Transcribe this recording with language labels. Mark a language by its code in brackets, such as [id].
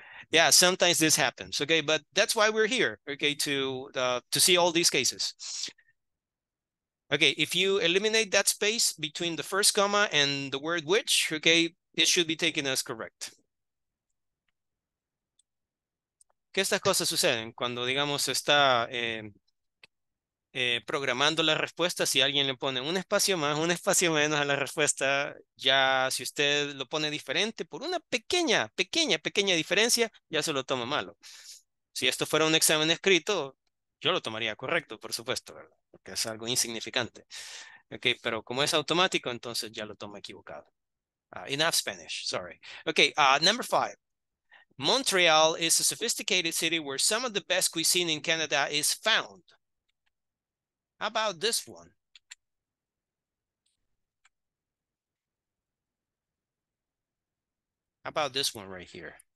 [en] Yeah, sometimes this happens, okay? But that's why we're here, okay, to see all these cases. Okay, if you eliminate that space between the first comma and the word which, okay, it should be taken as correct. [es] Que estas cosas suceden cuando, digamos, está programando la respuesta, si alguien le pone un espacio más, un espacio menos a la respuesta, ya si usted lo pone diferente por una pequeña, pequeña, pequeña diferencia, ya se lo toma malo. Si esto fuera un examen escrito, yo lo tomaría correcto, por supuesto, ¿verdad? Porque es algo insignificante. Okay, pero como es automático, entonces ya lo toma equivocado. [en] Enough Spanish, sorry. Okay, number five. Montreal is a sophisticated city where some of the best cuisine in Canada is found. How about this one? How about this one right here?